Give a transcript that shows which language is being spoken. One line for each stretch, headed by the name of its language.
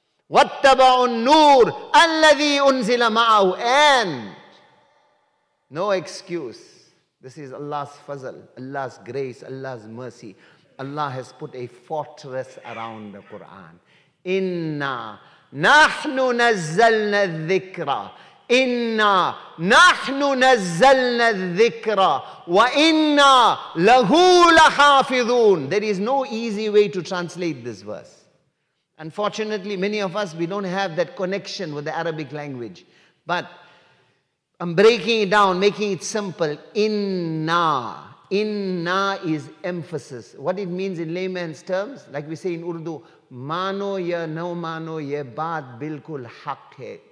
Arabic: وَاتَّبَعُ النُّورِ أَلَّذِي أُنزِلَ مَعَهُ
English: And no excuse. This is Allah's fazl, Allah's grace, Allah's mercy. Allah has put a fortress around the Quran.
Arabic: إِنَّا نَحْنُ نَزَّلْنَا الذِّكْرَ إِنَّا نَحْنُ نَزَّلْنَا الذِّكْرَ وَإِنَّا لَهُ لَحَافِظُونَ
English: There is no easy way to translate this verse. Unfortunately, many of us, we don't have that connection with the Arabic language. But I'm breaking it down, making it simple.
Arabic: إِنَّا إِنَّا
English: is emphasis. What it means in layman's terms, like we say in Urdu,
Urdu: Mano ya no mano ye baat bilkul haq hai.